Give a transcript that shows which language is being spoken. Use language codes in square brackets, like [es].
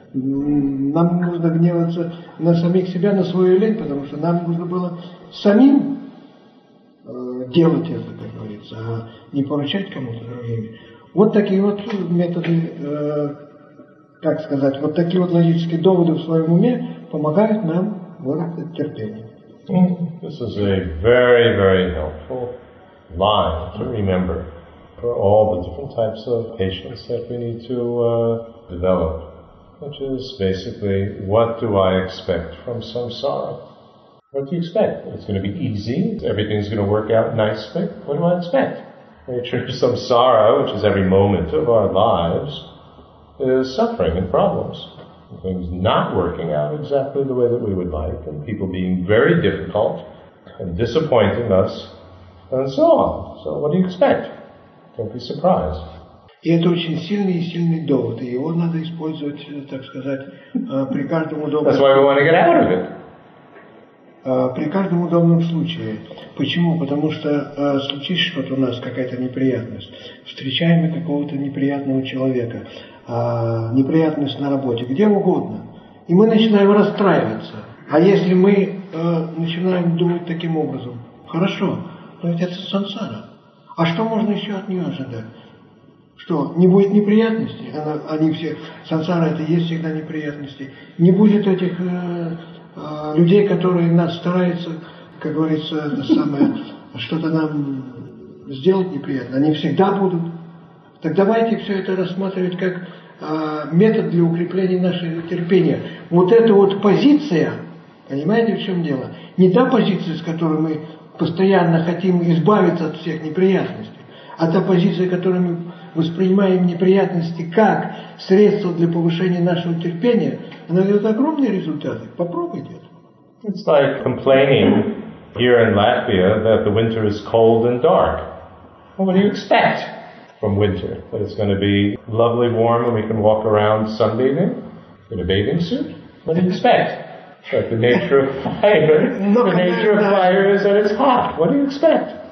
[ru] Нам нужно гневаться на самих себя, на свою лень, потому что нам нужно было самим делать это, как говорится, а не поручать кому-то другими. Вот такие вот методы, как сказать, вот такие вот логические доводы в своем уме помогают нам выработать терпение. [en] This is a very, very helpful line to remember for all the different types of patience that we need to develop. Which is basically, what do I expect from samsara? What do you expect? It's going to be easy, everything's going to work out nicely. What do I expect? The nature of samsara, which is every moment of our lives, is suffering and problems. Things not working out exactly the way that we would like, and people being very difficult, and disappointing us, and so on. So what do you expect? Don't be surprised. [ru] И это очень сильный и сильный довод, и его надо использовать, так сказать, при каждом удобном [en] That's why we want to get out of it. [ru] При каждом удобном случае. Почему? Потому что случится что-то у нас, какая-то неприятность. Встречаем мы какого-то неприятного человека, неприятность на работе, где угодно. И мы начинаем расстраиваться. А если мы начинаем думать таким образом, хорошо, но ведь это сансара. А что можно еще от нее ожидать? Что, не будет неприятностей? Они все, сансара это есть всегда неприятности. Не будет этих людей, которые нас стараются, как говорится, самое, что-то нам сделать неприятно. Они всегда будут. Так давайте все это рассматривать как метод для укрепления нашего терпения. Вот эта вот позиция, понимаете, в чем дело? Не та позиция, с которой мы постоянно хотим избавиться от всех неприятностей, а та позиция, которой мы воспринимаем неприятности как средство для повышения нашего терпения, оно дает огромные результаты. Попробуйте это. [en] It's like complaining here in Latvia that the winter is cold and dark. Well, what do you expect from winter? That it's going to be lovely warm and we can walk around sunbathing in a bathing suit? What do you expect? Like the nature of fire. The nature of fire is that it's hot. What do you expect?